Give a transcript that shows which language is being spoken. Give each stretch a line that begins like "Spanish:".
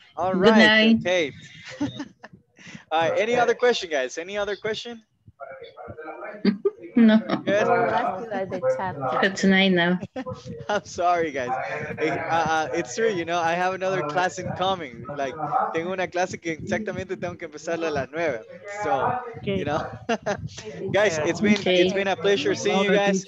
English: All right, good night. Okay. All right, any other question, guys? Any other question? No. Good? Well, the tonight now. I'm sorry, guys. It's true, you know, I have another class incoming.
Spanish: Like, tengo una clase que exactamente tengo que empezarla a las nueve.
English: So, okay. You know. Guys, it's been a pleasure seeing you guys.